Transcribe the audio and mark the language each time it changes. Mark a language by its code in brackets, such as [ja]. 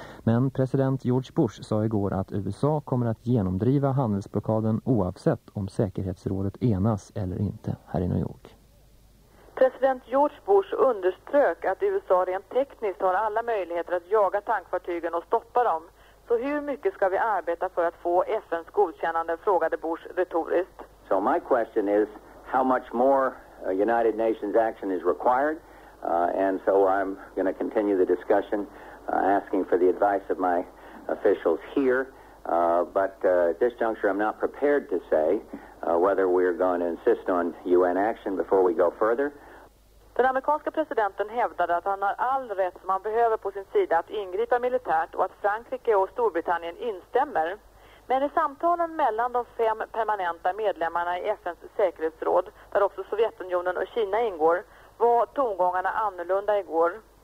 [sv] Men president George Bush sa igår att USA kommer att genomdriva handelsblockaden oavsett om säkerhetsrådet enas eller inte här i New York. President George Bush underströk att USA rent tekniskt har alla möjligheter att jaga tankfartygen och stoppa dem. Så hur mycket ska vi arbeta för att få FN:s godkännande, frågade Bush retoriskt. [en] So my question is how much more United Nations action is required, and so I'm going to continue the discussion asking for the advice of my officials here, but at this juncture I'm not prepared to say whether we're going to insist on UN action before we go further. [sv] Den amerikanska presidenten hävdade att han har all rätt som han behöver på sin sida att ingripa militärt och att Frankrike och Storbritannien instämmer. Men i samtalen mellan de fem permanenta medlemmarna i FNs säkerhetsråd, där också Sovjetunionen och Kina ingår, var tongångarna annorlunda igår.